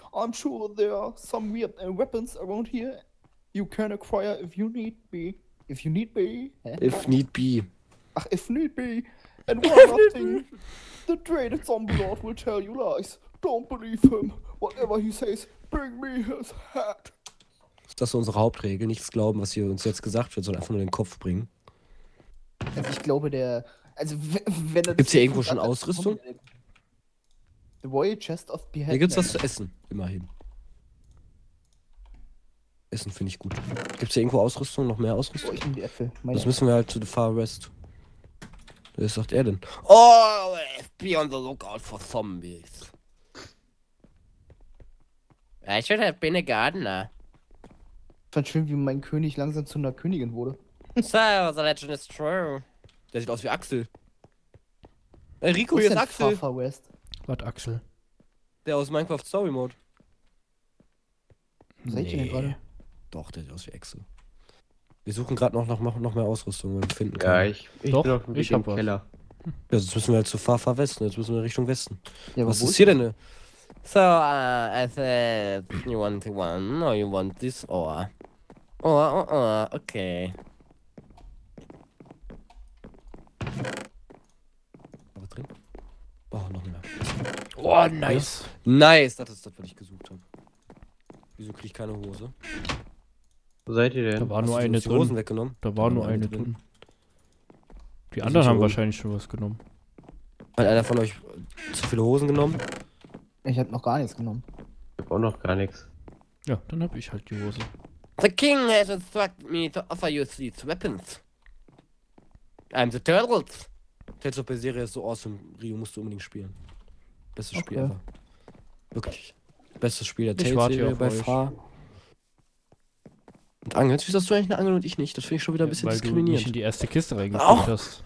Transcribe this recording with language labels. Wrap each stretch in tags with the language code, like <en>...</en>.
<en>I'm sure there are some weird weapons around here you can acquire if you need be. If you need be. If need be. Ach, if need be. And one other thing. The dreaded zombie lord will tell you lies. Don't believe him. Whatever he says, bring me his hat.</en> <de>Das ist unsere Hauptregel, nichts glauben, was hier uns jetzt gesagt wird, sondern einfach nur den Kopf bringen. Also ich glaube, der. Also wenn das. Gibt's hier irgendwo schon Ausrüstung?</de> <en>The Royal Chest of Behead.</en> <de>Hier gibt's was zu essen, immerhin. Essen finde ich gut. Gibt's hier irgendwo Ausrüstung, noch mehr Ausrüstung? Oh, ich nehme die Äpfel. Meine das müssen wir halt zu</de> <en>the Far West.</en> <de>Was sagt er denn?</de> <en>Always be on the lookout for zombies. I should have been a gardener.</en> <de>Ich fand schön, wie mein König langsam zu einer Königin wurde.</de> <en>So, the legend is true.</en> <de>Der sieht aus wie Axel. Ey, Rico, hier ist Axel.</de> <en>Far, far west.</en> <de>Was, Axel? Der aus Minecraft Story Mode. Was seid ihr denn gerade? Doch, der sieht aus wie Axel. Wir suchen gerade noch mehr Ausrüstung, wenn wir finden können. Ja, ich hab Keller. Ja, jetzt müssen wir halt zu</de> <en>far, far west.</en> <de>Jetzt müssen wir Richtung Westen. Ja, was ist hier denn?</de> <en>So, I said, you want one or you want this ore? Okay.</en> <de>Aber drin? Oh, noch mehr. Oh, nice. Ja. Nice, das ist das, was ich gesucht habe. Wieso krieg ich keine Hose? Wo seid ihr denn? Da war nur eine drin. Hosen weggenommen? Da war nur eine drin. Die anderen haben wahrscheinlich schon was genommen. Hat einer von euch zu viele Hosen genommen? Ich hab noch gar nichts genommen. Ich hab auch noch gar nichts. Ja, dann hab ich halt die Hose.</de> <en>The king has instructed me to offer you these weapons. I'm the turtles.</en> <de>Tales of Berseria ist so awesome. Rio, musst du unbedingt spielen. Bestes okay. Spiel ever. Wirklich. Bestes Spiel der Tales-Serie bei Fra. Und Angel, wieso hast du eigentlich eine Angel und ich nicht? Das finde ich schon wieder ein bisschen diskriminierend. Weil du nicht in die erste Kiste reingeschickt hast.</de>